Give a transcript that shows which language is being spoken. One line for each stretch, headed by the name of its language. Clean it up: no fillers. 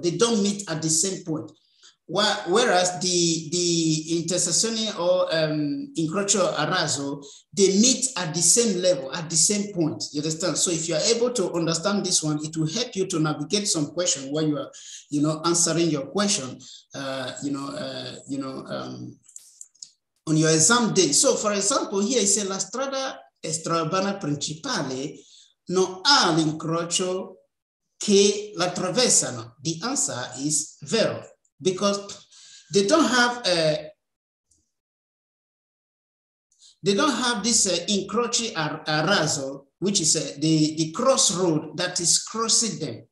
English: They don't meet at the same point. Whereas the intersezione or incrocio a raso, they meet at the same level, at the same point, you understand? So if you are able to understand this one, it will help you to navigate some question while you are, you know, answering your question, on your exam day. So for example, here is
Italian: la strada extraurbana principale non ha l'incrocio che la traversano.
English: The answer is vero, because they don't have this incroci a raso, which is the crossroad that is crossing them.